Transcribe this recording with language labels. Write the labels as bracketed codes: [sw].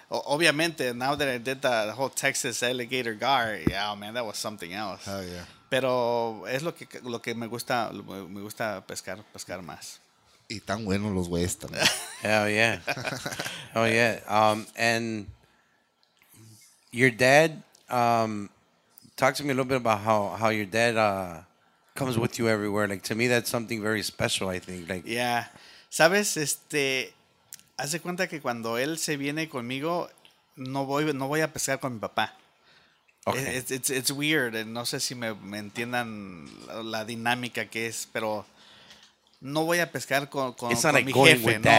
[en] Obviamente, now that I did the whole Texas alligator gar, yeah, oh man, that was something else. Oh yeah. [es] Pero es lo que me gusta pescar más. Y tan buenos los güeyes también. [en] Hell yeah. Oh yeah. And your dad, talk to me a little bit about how your dad comes with you everywhere. Like, to me, that's something very special, I think. Like, [es] yeah. ¿Sabes? Hace cuenta que cuando él se viene conmigo, no voy a pescar con mi papá. [en] Okay. It's weird. [es] No sé si me entiendan la dinámica que es, pero no voy a pescar con [en] like [es] mi jefe.